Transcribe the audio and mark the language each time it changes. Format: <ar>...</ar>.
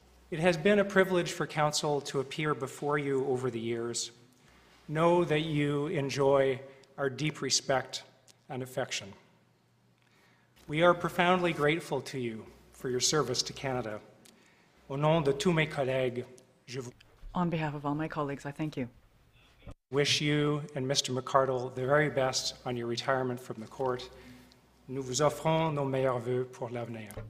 <en>It has been a privilege for counsel to appear before you over the years. Know that you enjoy our deep respect and affection. We are profoundly grateful to you for your service to Canada.</en> <fr>Au nom de tous mes collègues, je vous...</fr> <en>On behalf of all my colleagues, I thank you. Wish you and Mr. McArdle the very best on your retirement from the court.</en> <fr>Nous vous offrons nos meilleurs voeux pour l'avenir.</fr>